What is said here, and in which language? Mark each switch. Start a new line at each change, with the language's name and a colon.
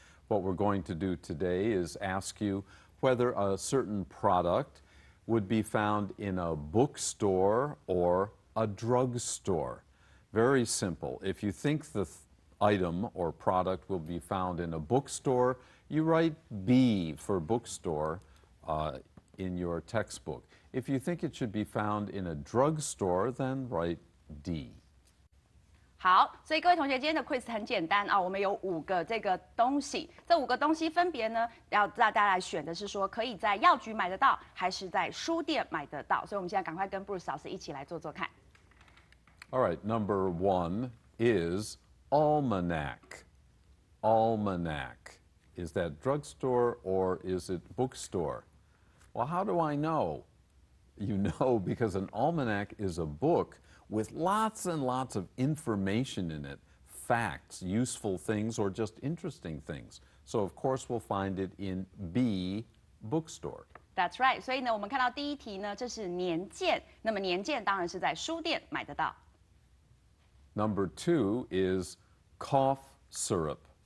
English: What we're going to do today is ask you,whether a certain product would be found in a bookstore or a drugstore. Very simple. If you think the item or product will be found in a bookstore, you write B for bookstore in your textbook. If you think it should be found in a drugstore, then write D.
Chinese: 好，所以各位同学，今天的 quiz 很简单啊、哦，我们有五个这个东西，这五个东西分别呢，要大家来选的是说可以在药局买得到，还是在书店买得到？所以我们现在赶快跟 Bruce 老师一起来做做看。
English: All right, number one is almanac. Almanac, is that drugstore or is it bookstore? Well, how do I know? You know because an almanac is a book. With lots and lots of information in it, facts, useful things, or just interesting things. So, of course, we'll find it in B, bookstore. That's right.
Chinese: 所以呢，我们看到第一题呢，这是年鉴。那么年鉴当然是在书店买得到。
English: Number two is cough syrup.